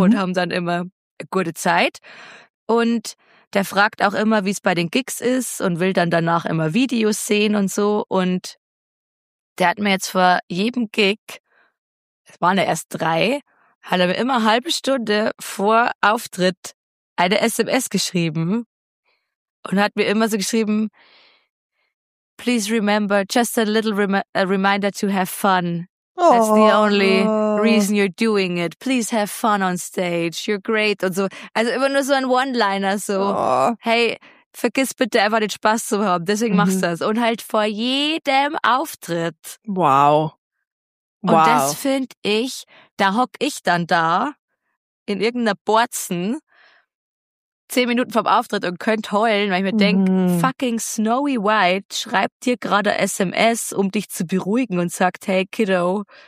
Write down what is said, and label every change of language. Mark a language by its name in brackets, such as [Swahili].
[German] Und haben dann immer eine gute Zeit. Und der fragt auch immer, wie es bei den Gigs ist und will dann danach immer Videos sehen und so. Und der hat mir jetzt vor jedem Gig, es waren ja erst drei, hat er mir immer eine halbe Stunde vor Auftritt eine SMS geschrieben und hat mir immer so geschrieben, [English] please remember, just a little reminder to have fun. That's the only reason you're doing it. Please have fun on stage. You're great [German] und so. Also immer nur so ein One-Liner so. Oh. Hey, vergiss bitte einfach den Spaß zu haben. Deswegen machst du das. Und halt vor jedem Auftritt. Wow. Und das finde ich, da hock ich dann da in irgendeiner Borzen 10 Minuten vorm Auftritt und könnt heulen, weil ich mir denke, fucking Snowy White schreibt dir gerade SMS, um dich zu beruhigen und sagt, [English] hey Kiddo,